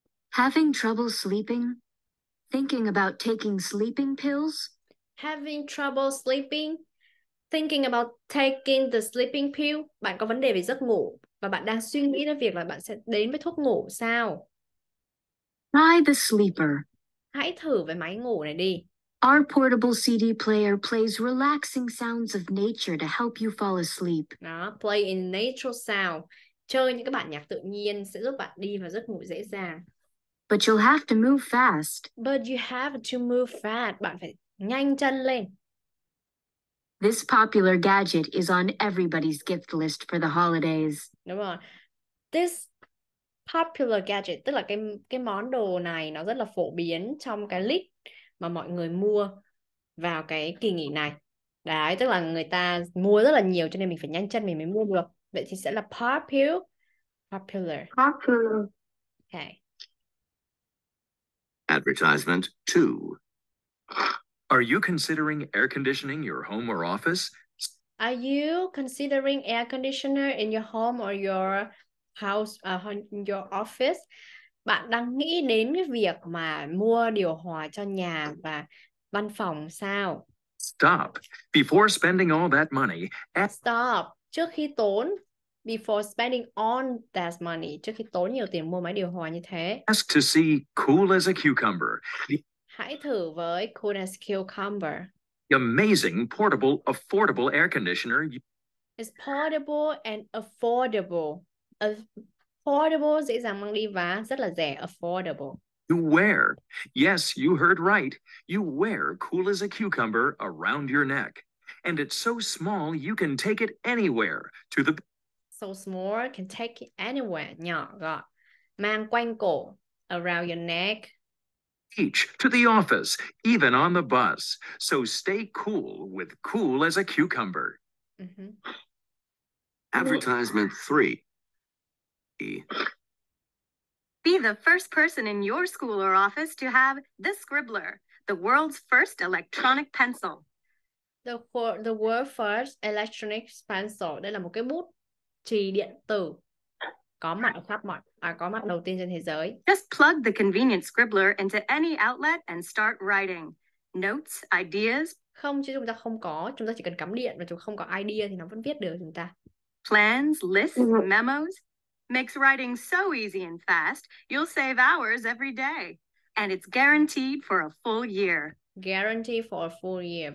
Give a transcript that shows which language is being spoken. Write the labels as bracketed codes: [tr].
[en] Having trouble sleeping? Thinking about taking sleeping pills? Having trouble sleeping? Thinking about taking the sleeping pill? [vi] Bạn có vấn đề về giấc ngủ và bạn đang suy nghĩ đến việc là bạn sẽ đến với thuốc ngủ sao? [en] Try the Sleeper. [vi] Hãy thử với máy ngủ này đi. [en] Our portable CD player plays relaxing sounds of nature to help you fall asleep. Đó, play in natural sound. [vi] Chơi những cái bản nhạc tự nhiên sẽ giúp bạn đi vào giấc ngủ dễ dàng. [en] But you'll have to move fast. But you have to move fast. Bạn phải nhanh chân lên. This popular gadget is on everybody's gift list for the holidays. [vi] Đúng rồi. This popular gadget, tức là cái món đồ này nó rất là phổ biến trong cái list mà mọi người mua vào cái kỳ nghỉ này. Đấy, tức là người ta mua rất là nhiều cho nên mình phải nhanh chân mình mới mua được. Vậy thì sẽ là popular. [en] Popular. Okay. Advertisement 2. Are you considering air conditioning your home or office? Are you considering air conditioner in your home or your house, in your office? [vi] Bạn đang nghĩ đến cái việc mà mua điều hòa cho nhà và văn phòng sao? [en] Stop. Before spending all that money, stop. [vi] Trước khi tốn, before spending all that money, trước khi tốn nhiều tiền mua máy điều hòa như thế, [en] ask to see cool as a cucumber. [vi] Hãy thử với cool as cucumber. [en] Amazing portable affordable air conditioner. It's portable and affordable. [vi] Affordable dễ dàng mang đi và rất là rẻ. [en] Affordable. You wear. Yes, you heard right. You wear cool as a cucumber around your neck. And it's so small you can take it anywhere to the... So small, can take it anywhere. Nhỏ gọn. Mang quanh cổ. Around your neck. Each to the office, even on the bus. So stay cool with cool as a cucumber. Mm-hmm. Advertisement 3. Be the first person in your school or office to have the Scribbler, the world's first electronic pencil. The world's first electronic pencil. [vi] Đây là một cái bút chì điện tử có mặt khắp mọi, có mặt đầu tiên trên thế giới. [en] Just plug the convenient Scribbler into any outlet and start writing. Notes, ideas. [vi] Không, chứ chúng ta không có. Chúng ta chỉ cần cắm điện và chúng không có idea thì nó vẫn viết được chúng ta. [en] Plans, lists, memos. Makes writing so easy and fast, you'll save hours every day. And it's guaranteed for a full year. Guaranteed for a full year.